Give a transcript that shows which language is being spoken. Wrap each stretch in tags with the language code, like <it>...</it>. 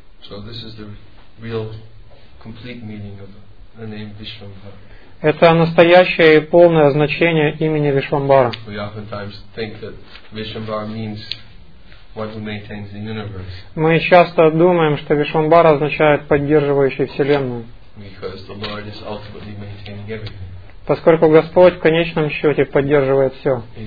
<en>So this is the real complete meaning of the name Vishwambhara.</en> <ru>Это настоящее и полное значение имени Вишвамбара.</ru> <en>We oftentimes think that Vishwambhara means one who maintains the universe.</en> <ru>Мы часто думаем, что Вишвамбара означает поддерживающий Вселенную.</ru> <en>Because the Lord is ultimately maintaining everything.</en> <ru>Поскольку Господь в конечном счете поддерживает все.</ru>